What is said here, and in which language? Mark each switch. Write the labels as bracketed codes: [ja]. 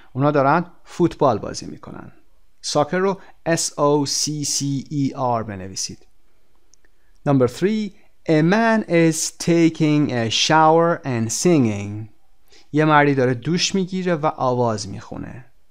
[fa] اونا دارن فوتبال بازی میکنن. Soccer رو S-O-C-C-E-R بنویسید. [en] Number three, a man is taking a shower and singing. [fa] یه مردی داره دوش میگیره و آواز میخونه.